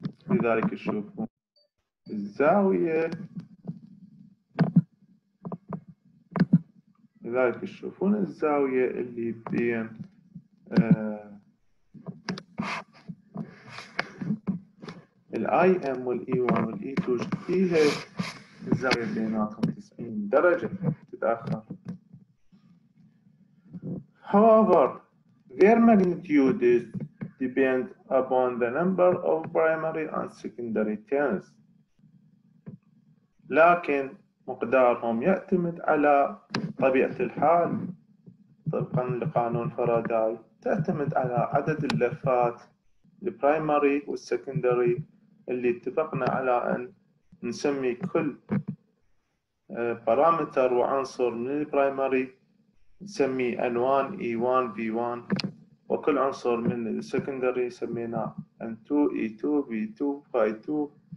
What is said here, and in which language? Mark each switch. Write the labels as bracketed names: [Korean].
[Arabic] لذلك تشوفون الزاوية، لذلك تشوفون الزاوية اللي بين الاي ام والاي 1 والاي 2 فيها الزاوية بيناتهم 90 درجة تتأخر. [English] However, their magnitudes depend upon the number of primary and secondary turns. [Arabic] لكن مقدارهم يعتمد على طبيعة الحال طبقا لقانون فاراداي، تعتمد على عدد اللفات البرايمري والسكندري اللي اتفقنا على أن نسمي كل بارامتر وعنصر من البرايمري نسمي N1, E1, V1، وكل عنصر من السكندري سمينا N2, E2, V2, Phi2.